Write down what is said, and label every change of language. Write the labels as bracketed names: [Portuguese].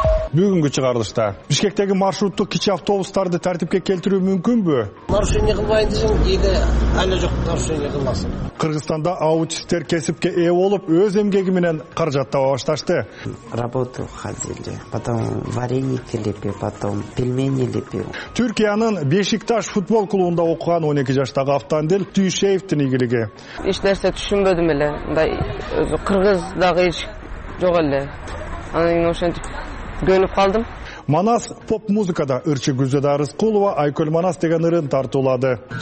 [Kyrgyz] Бүгүнкү чыгарылышта Бишкектеги маршруттук кичи автобустарды тартипке келтирүү мүмкүнбү? Нарушение кылбайын десең, кээде айла жок нарушение кылмасын. Кыргызстанда аутисттер кесипке ээ болуп өз эмгеги менен каражат таба башташты. [Russian] Работу ходили, потом вареники лепил, потом пельмени лепил. [Kyrgyz] Түркиянын Бешикташ футбол клубунда окуган 12 жаштагы Автандил Түйшеевдин ийгилиги. Эч нерсе түшүнбөдүм эле, мындай өзү кыргыз дагы эч жок эле. Анан кийин ошентип көнүп калдым. Манас поп музыкада ырчы Гүлзада Рыскулова Айкөл Манас деген ырын тартуулады.